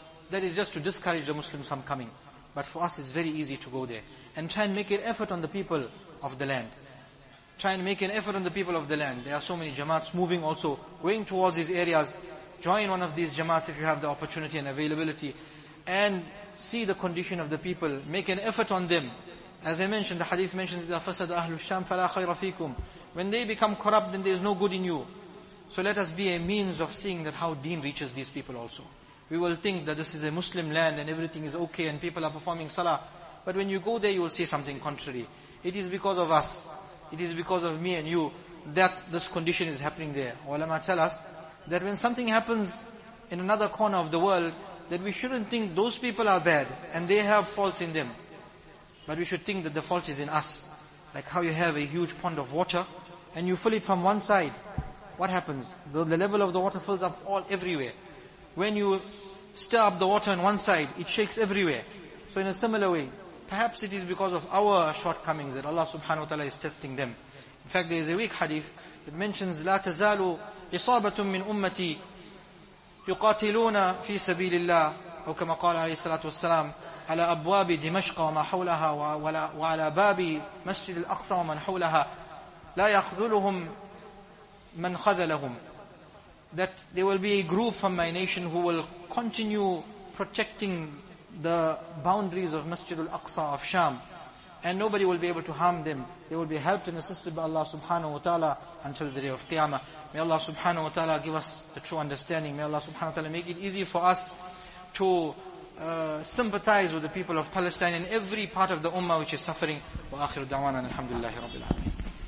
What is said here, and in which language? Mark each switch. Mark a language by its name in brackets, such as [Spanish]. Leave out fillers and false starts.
[English] That is just to discourage the Muslims from coming. But for us, it's very easy to go there. And try and make an effort on the people of the land. Try and make an effort on the people of the land. There are so many jamaats moving also, going towards these areas. Join one of these jamaats if you have the opportunity and availability. And see the condition of the people. Make an effort on them. As I mentioned, the hadith mentions, [Arabic] إِذَا فَسَدَ أَهْلُ الشَّامِ فَلَا خَيْرَ فِيكُمْ. [English] When they become corrupt, then there is no good in you. So let us be a means of seeing that how deen reaches these people also. We will think that this is a Muslim land and everything is okay and people are performing salah. But when you go there, you will see something contrary. It is because of us. It is because of me and you that this condition is happening there. Ulama tell us that when something happens in another corner of the world, that we shouldn't think those people are bad and they have faults in them. But we should think that the fault is in us. Like how you have a huge pond of water and you fill it from one side. What happens? The level of the water fills up all everywhere. When you stir up the water on one side, it shakes everywhere. So in a similar way, perhaps it is because of our shortcomings that Allah subhanahu wa ta'ala is testing them. In fact, there is a weak hadith that mentions, [Arabic] لا تزال إصابة من أمتي يقاتلون في سبيل الله أو كما قال عليه الصلاة والسلام على أبواب دمشق وما حولها وعلى باب مسجد الأقصى ومن حولها لا يخذلهم من خذلهم. [English] That there will be a group from my nation who will continue protecting the boundaries of Masjid al-Aqsa of Sham. And nobody will be able to harm them. They will be helped and assisted by Allah subhanahu wa ta'ala until the day of Qiyamah. May Allah subhanahu wa ta'ala give us the true understanding. May Allah subhanahu wa ta'ala make it easy for us to sympathize with the people of Palestine and every part of the ummah which is suffering. [Arabic] Wa akhiru da'wana alhamdulillahi rabbil alameen.